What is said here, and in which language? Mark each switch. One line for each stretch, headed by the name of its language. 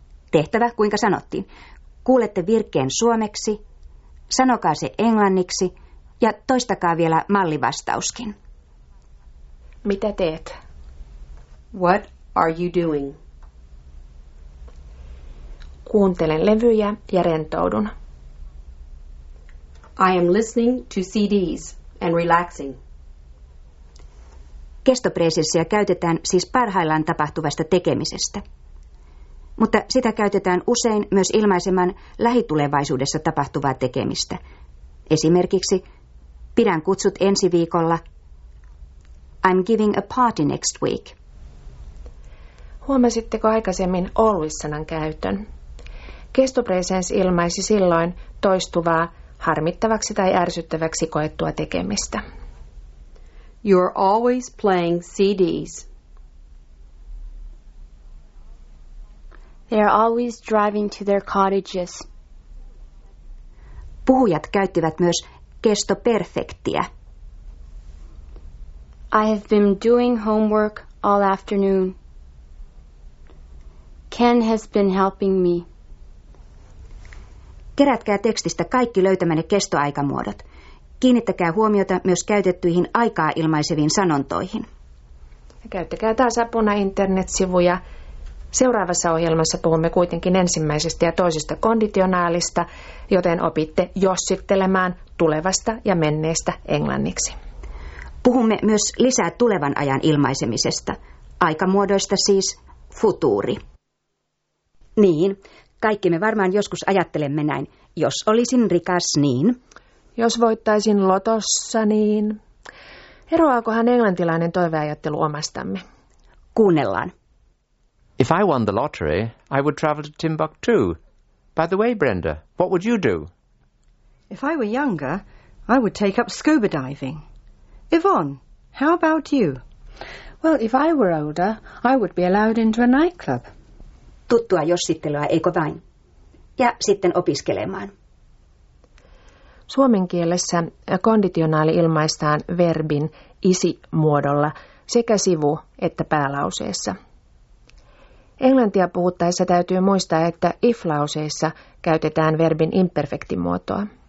Finnish: Tehtävä, kuinka sanottiin. Kuulette virkkeen suomeksi, sanokaa se englanniksi ja toistakaa vielä mallivastauskin. Mitä teet?
English: What are you doing?
Finnish: Kuuntelen levyjä ja rentoudun.
English: I am listening to CDs and relaxing.
Finnish: Kestopresenssiä käytetään siis parhaillaan tapahtuvasta tekemisestä. Mutta sitä käytetään usein myös ilmaisemaan lähitulevaisuudessa tapahtuvaa tekemistä. Esimerkiksi, pidän kutsut ensi viikolla.
English: I'm giving a party next week.
Finnish: Huomasitteko aikaisemmin always-sanan käytön? Kestopresens ilmaisi silloin toistuvaa, harmittavaksi tai ärsyttäväksi koettua tekemistä.
English: You're always playing CDs. They're always driving to their cottages.
Finnish: Puhujat käyttivät myös kestoperfektiä.
English: I have been doing homework all afternoon. Ken has been helping me.
Finnish: Kerätkää tekstistä kaikki löytämänne kestoaikamuodot. Kiinnittäkää huomiota myös käytettyihin aikaa ilmaiseviin sanontoihin. Käyttäkää taas apuna internetsivuja. Seuraavassa ohjelmassa puhumme kuitenkin ensimmäisestä ja toisesta konditionaalista, joten opitte jossittelemaan tulevasta ja menneestä englanniksi. Puhumme myös lisää tulevan ajan ilmaisemisesta. Aikamuodoista siis futuuri. Niin, kaikki me varmaan joskus ajattelemme näin. Jos olisin rikas, niin... Jos voittaisin lotossa, niin... Eroaakohan englantilainen toiveajattelu omastamme? Kuunnellaan.
English: If I won the lottery, I would travel to Timbuktu. By the way, Brenda, what would you do? If I were younger, I would take up scuba diving. Yvonne, how about you? Well, if I were older, I would be allowed into a nightclub.
Finnish: Tuttua jossittelua, eikö vain? Ja sitten opiskelemaan. Suomen kielessä konditionaali ilmaistaan verbin isi-muodolla sekä sivu- että päälauseessa. Englantia puhuttaessa täytyy muistaa, että if-lauseissa käytetään verbin imperfektimuotoa.